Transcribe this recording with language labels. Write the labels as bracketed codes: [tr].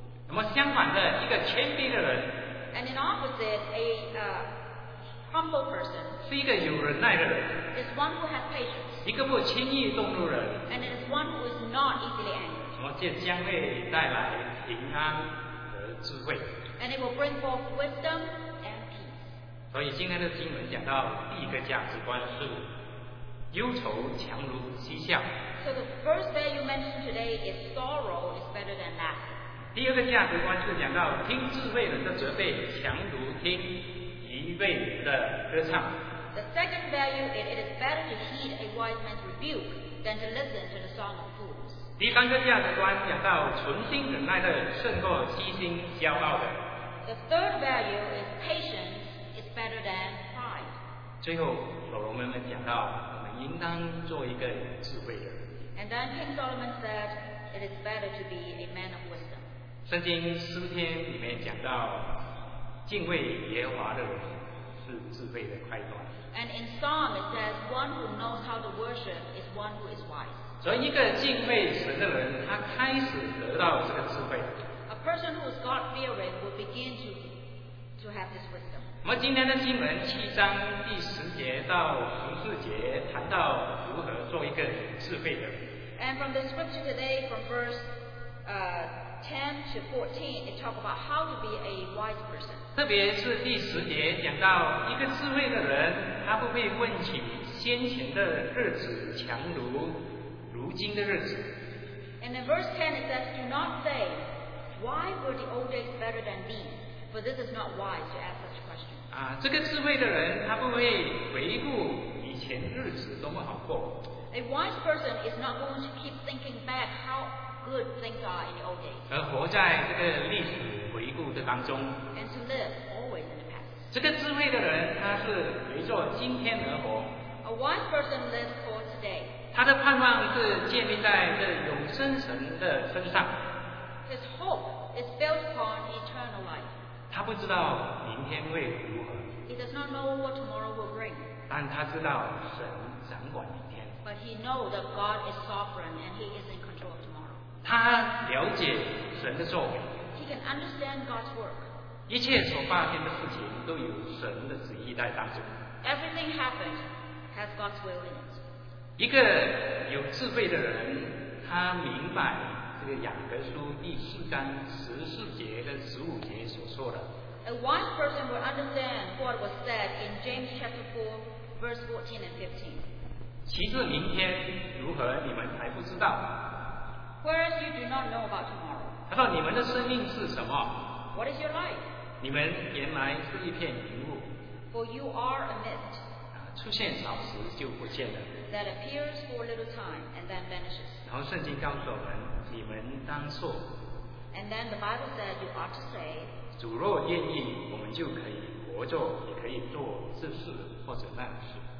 [zh] 那么相反的，一个谦卑的人。 [en] And in opposite, a humble person. [zh] 是一个有忍耐的人。 [en] Is one who has patience. [zh] 一个不轻易动怒人。 [en] And it is one who is not easily angered. [zh] 那么这将会带来平安和智慧。 [en] And it will bring forth wisdom and peace. [zh] 所以今天的经文讲到第一个价值观是。忧愁强如嬉笑。 [en] So the first thing you mentioned today is sorrow is better than laughter. [zh] 第二个价值观是讲到听智慧人的责备强如听愚昧人的歌唱。 [en] The second value is it is better to heed a wise man's rebuke than to listen to the song of fools. [zh] 第三个价值观讲到存心忍耐的胜过虚心骄傲的。 [en] The third value is patience is better than pride. [zh] 最后所罗门们讲到。应当做一个智慧的人。 [en] And then King Solomon said, "It is better to be a man of wisdom." [zh] 圣经诗篇里面讲到，敬畏耶和华的人是智慧的开端。 [en] And in Psalm it says, "One who knows how to worship is one who is wise." [zh] 所以一个敬畏神的人，他开始得到这个智慧。 [en] A person who is God-fearing will begin to have his wisdom. [zh] 那么今天的经文七章第十节到十四节谈到如何做一个智慧的人。 [en] And from the scripture today, from verse 10 to 14, it talks about how to be a wise person. [zh] 特别是第十节讲到一个智慧的人，他不会问起先前的日子强如如今的日子。 [en] And in verse 10 it says, "Do not say, why were the old days better than these?" For this is not wise to ask such questions. [zh] 这个智慧的人他不会回顾以前日子多么好过。 [en] A wise person is not going to keep thinking back how good things are in the old days. [zh] 而活在这个历史回顾的当中。 [en] And to live always in the past. [zh] 这个智慧的人他是随着今天而活。 [en] A wise person lives for today. [zh] 他的盼望是建立在这永生神的身上。 [en] His hope is built upon eternal life. [zh] 他不知道明天会如何。 [en] He does not know what tomorrow will bring. [zh] 但他知道神掌管明天。 [en] But he knows that God is sovereign and he is in control of tomorrow. [zh] 他了解神的作为。 [en] He can understand God's work. [zh] 一切所发生的事情都有神的旨意在当中。 [en] Everything happened has God's will in it. [zh] 一个有智慧的人，他明白。这个雅各书第四章十四节和十五节所说的。 [en] A wise person will understand what was said in James chapter 4, verse 14 and 15. [zh] 其实明天如何，你们还不知道。 [en] Whereas you do not know about tomorrow. [zh] 他说你们的生命是什么 [en] What is your light? [zh] 你们原来是一片云雾。 [en] For you are a mist. [zh] 出现少时就不见了。 [en] That appears for a little time and then vanishes. [zh] 然后圣经告诉我们，你们当说。 [en] And then the Bible said you ought to say. [zh] 主若愿意，我们就可以活着，也可以做这事或者那事。